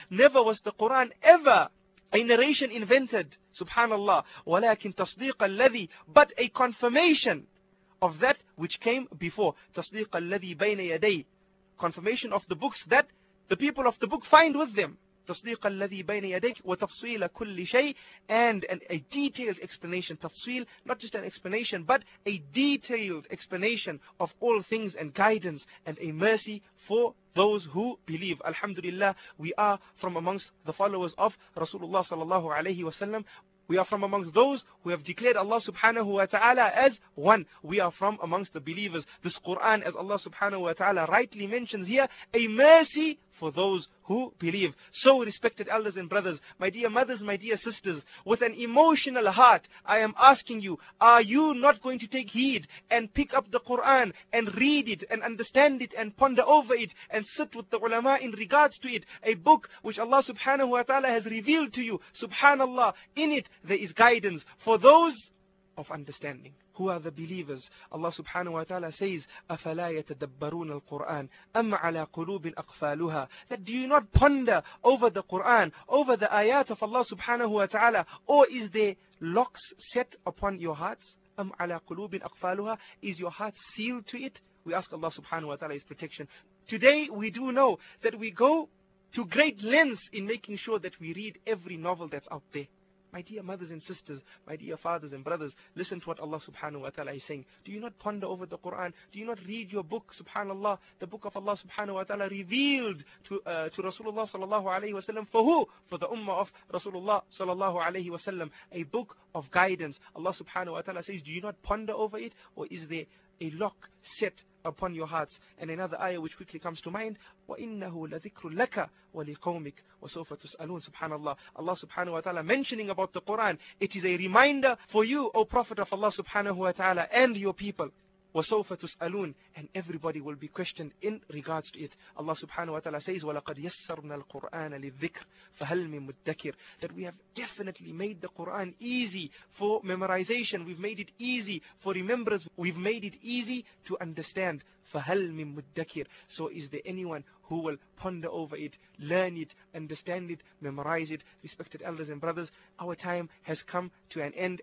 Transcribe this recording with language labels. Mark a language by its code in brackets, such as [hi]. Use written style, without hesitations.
[en] Never was the Quran ever a narration invented. [ar] Subhanallah. وَلَكِنْ تَصْدِيقَ الَّذِي. [en] But a confirmation of that which came before. [ar] تَصْدِيقَ الَّذِي بَيْنَ يَدَي. [en] Confirmation of the books that the people of the book find with them. [ar] تصديق الذي بين يديك وتفصيل كل شيء, [en] and a detailed explanation. تفصيل, not just an explanation, but a detailed explanation of all things, and guidance, and a mercy for those who believe. Alhamdulillah, we are from amongst the followers of Rasulullah sallallahu alayhi wa sallam. We are from amongst those who have declared Allah subhanahu wa ta'ala as one. We are from amongst the believers. This Quran, as Allah subhanahu wa ta'ala rightly mentions here, a mercy for those who believe. So respected elders and brothers, my dear mothers, my dear sisters, with an emotional heart, I am asking you, are you not going to take heed and pick up the Quran and read it and understand it and ponder over it and sit with the ulama in regards to it? A book which Allah subhanahu wa ta'ala has revealed to you. Subhanallah, in it there is guidance for those of understanding. Who are the believers? Allah subhanahu wa ta'ala says, [ar] أَفَلَا يَتَدَبَّرُونَ الْقُرْآنَ أَمْ عَلَىٰ قُلُوبٍ أَقْفَالُهَا. [en] That do you not ponder over the Qur'an, over the ayat of Allah subhanahu wa ta'ala, or is there locks set upon your hearts? [ar] أَمْ عَلَىٰ قُلُوبٍ أَقْفَالُهَا. [en] Is your heart sealed to it? We ask Allah subhanahu wa ta'ala his protection. Today we do know that we go to great lengths in making sure that we read every novel that's out there. My dear mothers and sisters, my dear fathers and brothers, listen to what Allah subhanahu wa ta'ala is saying. Do you not ponder over the Quran? Do you not read your book, subhanallah, the book of Allah subhanahu wa ta'ala revealed to Rasulullah sallallahu alayhi wa sallam? For who? For the ummah of Rasulullah sallallahu alayhi wa sallam. A book of guidance. Allah subhanahu wa ta'ala says, do you not ponder over it? Or is there a lock set upon your hearts? And another ayah which quickly comes to mind, [ar] وَإِنَّهُ لَذِكْرٌ لَكَ وَلِقَوْمِكَ وَسَوْفَ تُسْأَلُونَ. [en] Subhanallah, Allah subhanahu wa ta'ala mentioning about the Quran, it is a reminder for you, O Prophet of Allah subhanahu wa ta'ala, and your people. [ar] وَسَوْفَ تُسْأَلُونَ, [en] and everybody will be questioned in regards to it. Allah subhanahu wa ta'ala says, [ar] وَلَقَدْ يَسَّرْنَا الْقُرْآنَ لِلذِّكْرِ فَهَلْ مِن مُدَّكِرٍ. [en] That we have definitely made the Quran easy for memorization. We've made it easy for remembrance. We've made it easy to understand. [ar] فَهَلْ مِن مُدَّكِرٍ. [en] So is there anyone who will ponder over it, learn it, understand it, memorize it? Respected elders and brothers, our time has come to an end.